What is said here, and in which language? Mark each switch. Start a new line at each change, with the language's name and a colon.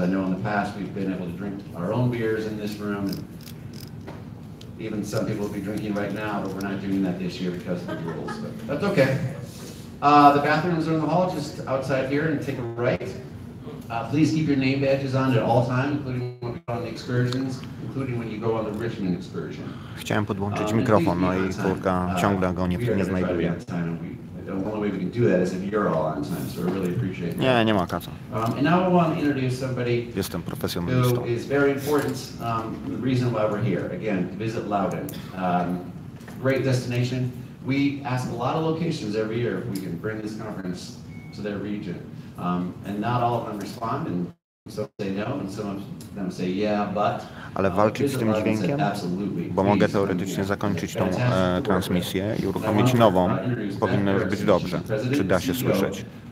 English: I know in the past we've been able to drink our own beers in this room, and even some people will be drinking right now, but we're not doing that this year because of the rules, but that's okay. The bathrooms are in the hall just outside here, and take a right. Please keep your name badges on at all times, including when you go on the excursions, including when you go on the Richmond excursion.
Polish: Chciałem podłączyć mikrofon, no i kurka ciągle go nie znajduje.
English: The only way we can do that is if you're all on time, so I really appreciate that.
Polish: Nie, nie ma kaca.
English: And now I want to introduce somebody
Polish: Jestem profesjonalistą.
English: Who is very important, the reason why we're here, again, to visit Loudoun. Great destination. We ask a lot of locations every year if we can bring this conference to their region. And not all of them respond, and some say no, and some of them say yeah, but...
Polish: Ale walczyć z tym dźwiękiem, bo mogę teoretycznie zakończyć tą transmisję i uruchomić nową, powinno już być dobrze, czy da się słyszeć.